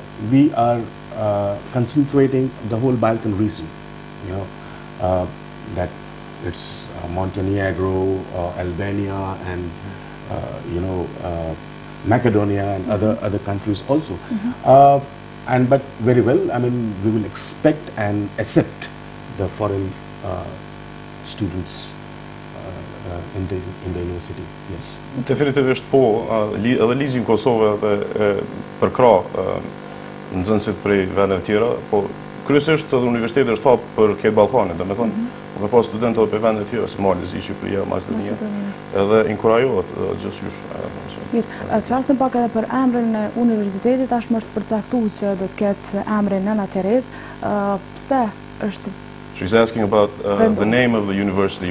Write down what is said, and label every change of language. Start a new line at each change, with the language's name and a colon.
English: We are concentrating the whole Balkan region, you know, that it's Montenegro, Albania, and you know, Macedonia and other countries also. But very well, I mean, we will expect and accept the foreign students in the university. Yes.
Albanian: Definitivisht po, edhe lizim Kosovë edhe për krah nxënësit prej vendeve tjera, po kryesisht edhe universiteti është hap për këtë Ballkanin, domethënë, me pas studentë edhe për vendet tjera si Mali, si Shqipëria, Maqedonia. Edhe inkurajohet gjithçysh. Mirë, të flasim pak edhe për emrin e universitetit, tashmë është përcaktuar që do të ketë emrin Nëna Terezë. Pse është?
English: She's asking about the name of the university.